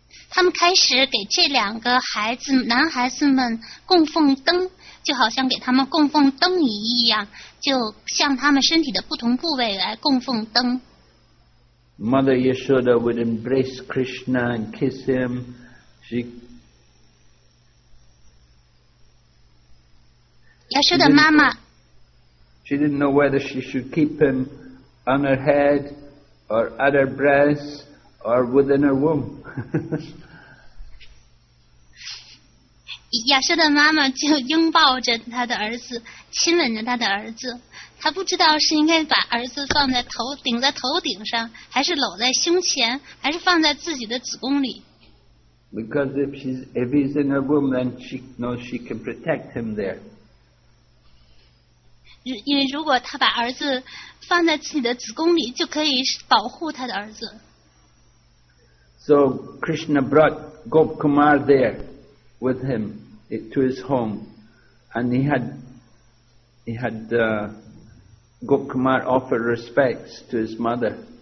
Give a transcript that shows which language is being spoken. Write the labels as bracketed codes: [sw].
[zh] 他们开始给这两个孩子男孩子们供奉灯，就好像给他们供奉灯一样，就向他们身体的不同部位来供奉灯。 [en] Mother Yashoda would embrace Krishna and kiss him. She. [zh] 亚瑟的妈妈。 [en] She didn't know whether she should keep him. On her head, or at her breast, or within her womb. [zh] 亚瑟的妈妈就拥抱着他的儿子，亲吻着他的儿子。他不知道是应该把儿子放在头顶在头顶上，还是搂在胸前，还是放在自己的子宫里。 [en] Because if he's in her womb, then she knows she can protect him there. [zh] 因为如果他把儿子放在自己的子宫里，就可以保护他的儿子。 [en] So Krishna brought Gop Kumar there with him to his home, and he had Gop Kumar offer respects to his mother.